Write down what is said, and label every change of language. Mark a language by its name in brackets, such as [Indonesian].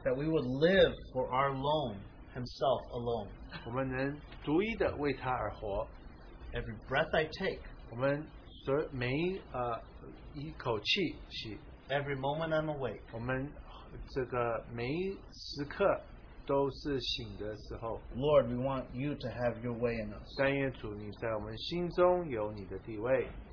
[English] That we would live for our alone. Himself alone. [Chinese] 我们能独一的为他而活。 [English] Every breath I take. [Chinese] 我们每一口气息。 [English] Every moment I'm awake. [Chinese] 我们这个每一时刻都是醒的时候。 [English] Lord, we want you to have your way in us. [Chinese] 但愿主你在我们心中有你的地位。